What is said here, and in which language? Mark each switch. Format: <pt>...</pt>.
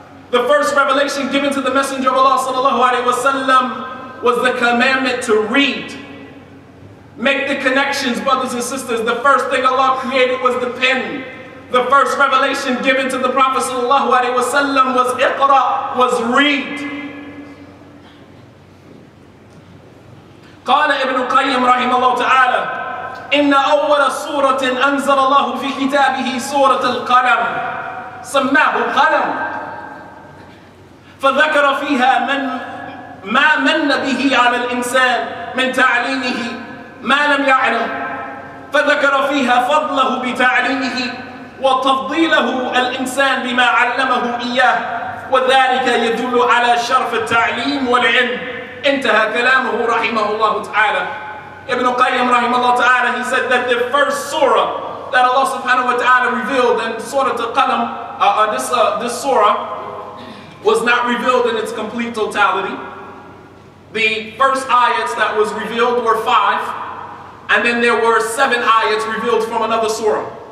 <en>The first revelation given to the Messenger of Allah sallallahu alaihi wasallam was the commandment to read. Make the connections, brothers and sisters. The first thing Allah created was the pen. The first revelation given to the Prophet sallallahu alaihi wasallam was iqra, was read.</en> <ar>قال ابن قيم رحمه الله تعالى إن أول سورة أنزل الله في كتابه سورة القلم سماه القلم فذكر فيها من ما من به على الإنسان من تعليمه ما لم يعلم فذكر فيها فضله بتعليمه وتفضيله الإنسان بما علمه إياه وذلك يدل على شرف التعليم والعلم انتهى كلامه رحمه الله تعالى.</ar> <en>Ibn Qayyim rahimahullah ta'ala, he said that the first surah that Allah subhanahu wa ta'ala revealed in Surah Al-Qalam, this surah was not revealed in its complete totality. The first ayats that was revealed were five, and then there were seven ayats revealed from another surah.</en>